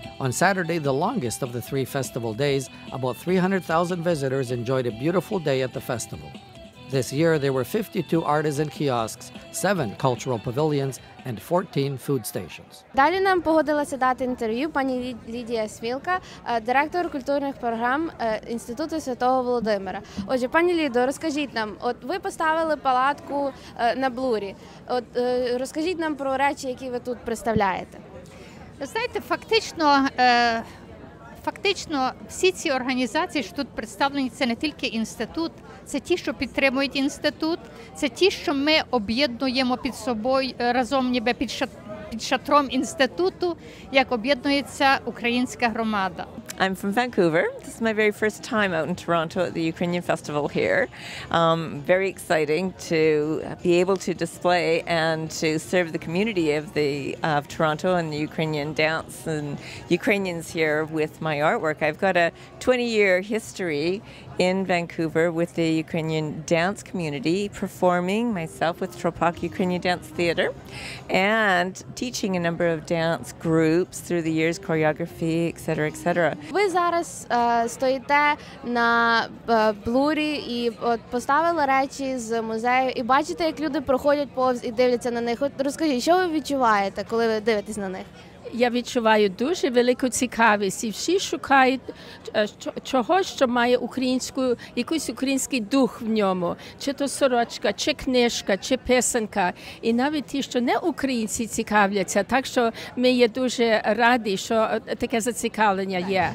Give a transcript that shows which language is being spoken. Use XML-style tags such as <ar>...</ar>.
<en>Saturday, the longest of the three festival days, about 300,000 visitors enjoyed a beautiful day at the festival. This year, there were 52 artisan kiosks, 7 cultural pavilions, and 14 food stations.</en> <uk>Далі нам погодилася дати інтерв'ю пані Лідія Смілка, директор культурних програм Інституту Святого Володимира. Отже, пані Лідо, розкажіть нам, от ви поставили палатку на Блурі. От розкажіть нам про речі, які ви тут представляєте. Знаєте, фактично всі ці організації, що тут представлені, це не тільки інститут, це ті, що підтримують інститут, це ті, що ми об'єднуємо під собою разом, ніби під шатром інституту, як об'єднується українська громада.</uk> <en>I'm from Vancouver. This is my very first time out in Toronto at the Ukrainian Festival here. Very exciting to be able to display and to serve the community of Toronto and the Ukrainian dance and Ukrainians here with my artwork. I've got a 20-year history in Vancouver with the Ukrainian dance community, performing myself with Tropak Ukrainian Dance Theater and teaching a number of dance groups through the years, choreography, etc., etc.</en> <uk>Ви зараз стоїте на Блурі і от поставили речі з музею і бачите, як люди проходять повз і дивляться на них. От розкажіть, що ви відчуваєте, коли ви дивитесь на них? Я відчуваю дуже велику цікавість, і всі шукають чогось, що має українську, якийсь український дух в ньому, чи то сорочка, чи книжка, чи писанка, і навіть ті, що не українці, цікавляться, так що ми є дуже раді, що таке зацікавлення є.</uk>